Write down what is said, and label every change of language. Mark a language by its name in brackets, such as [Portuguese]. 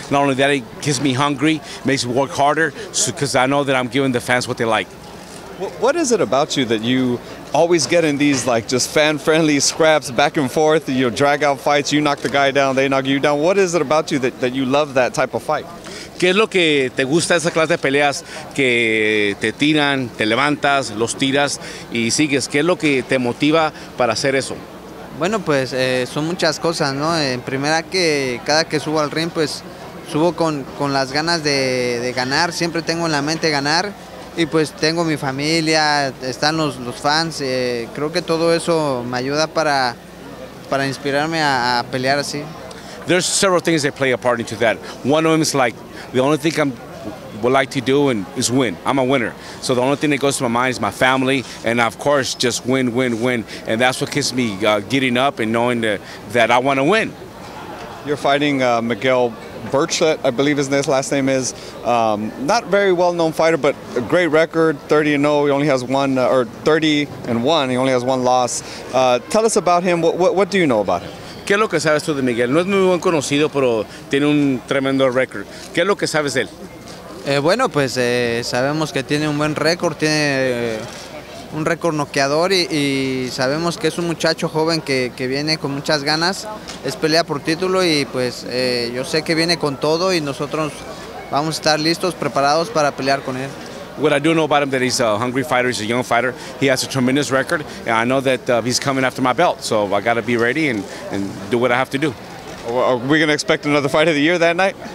[English] Not only that, it keeps me hungry, makes me work harder, because I know that I'm giving the fans what they like. What is it about you that you always get in these, like, just fan-friendly scraps back and forth, you know, drag-out fights, you knock the guy down, they knock you down? What is it about you that you love that type of fight? [Spanish] ¿Qué es lo que te gusta esa clase de peleas que te tiran, te levantas, los tiras y sigues? ¿Qué es lo que te motiva para hacer eso? Bueno, pues son muchas cosas, ¿no? En primera, que cada que subo al ring, pues subo con las ganas de ganar. Siempre tengo en la mente ganar y pues tengo mi familia, están los fans. Creo que todo eso me ayuda para inspirarme a pelear así. [English] There's several things that play a part into that. One of them is like, the only thing I'm would like to do and is win. I'm a winner. So the only thing that goes to my mind is my family and of course just win, win, win. And that's what keeps me getting up and knowing that I want to win. You're fighting Miguel Burchett, I believe his last name is. Not very well-known fighter, but a great record, 30-0. He only has one, or 30-1. He only has one loss. Tell us about him. What do you know about him? [Spanish] ¿Qué es lo que sabes tú de Miguel? No es muy buen conocido, pero tiene un tremendo record. ¿Qué es lo que sabes de él? Bueno, pues sabemos que tiene un buen récord, tiene un récord noqueador y sabemos que es un muchacho joven que viene con muchas ganas, es pelea por título y pues yo sé que viene con todo y nosotros vamos a estar listos, preparados para pelear con él. [English] What I do know about him that he's a hungry fighter, he's a young fighter, he has a tremendous record and I know that he's coming after my belt, so I gotta be ready and do what I have to do. Are we gonna expect another fight of the year that night?